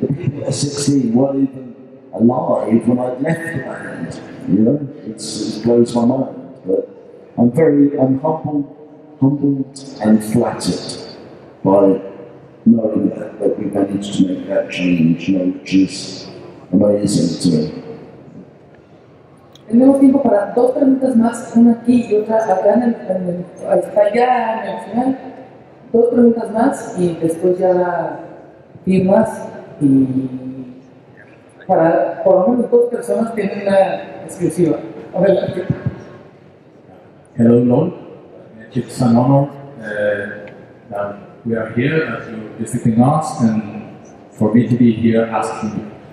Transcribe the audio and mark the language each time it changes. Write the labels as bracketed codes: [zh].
[en] The people that are 16 weren't even alive when I left the band. You know, it blows my mind. But I'm humbled and flattered by knowing that we managed to make that change, you know, which is amazing to me. [es] Tenemos tiempo para dos preguntas más, una aquí y otra acá en el final. Dos preguntas más y después ya firmas. Y para por lo menos dos personas tienen una exclusiva. Adelante. [en] Hello, Lon. It's an honor that we are here, that you're visiting us, and for me to be here asking you.